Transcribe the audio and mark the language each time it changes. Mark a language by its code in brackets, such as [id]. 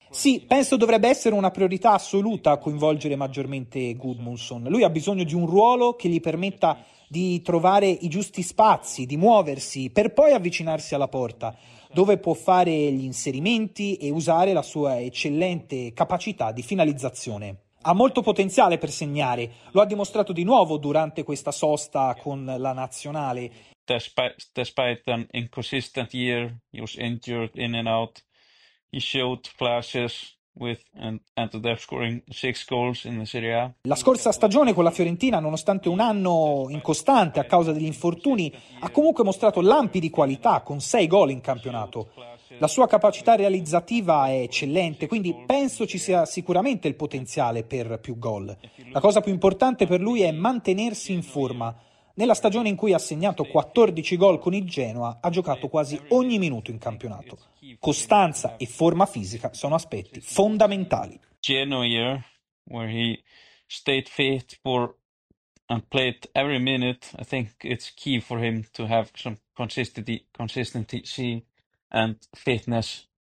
[it] Sì, penso dovrebbe essere una priorità assoluta coinvolgere maggiormente Gudmundsson. Lui ha bisogno di un ruolo che gli permetta di trovare i giusti spazi, di muoversi, per poi avvicinarsi alla porta, dove può fare gli inserimenti e usare la sua eccellente capacità di finalizzazione. Ha molto potenziale per segnare, lo ha dimostrato di nuovo durante questa sosta con la nazionale. [en] Despite an inconsistent year, he was injured in and out. He showed flashes with and ended up scoring 6 goals in the Serie A. [it] La scorsa stagione con la Fiorentina, nonostante un anno incostante a causa degli infortuni, ha comunque mostrato lampi di qualità con 6 gol in campionato. La sua capacità realizzativa è eccellente, quindi penso ci sia sicuramente il potenziale per più gol. La cosa più importante per lui è mantenersi in forma. Nella stagione in cui ha segnato 14 gol con il Genoa, ha giocato quasi ogni minuto in campionato. Costanza e forma fisica sono aspetti fondamentali. [en] Genoa year, where he stayed fit for and played every minute, I think it's key for him to have some consistency and fitness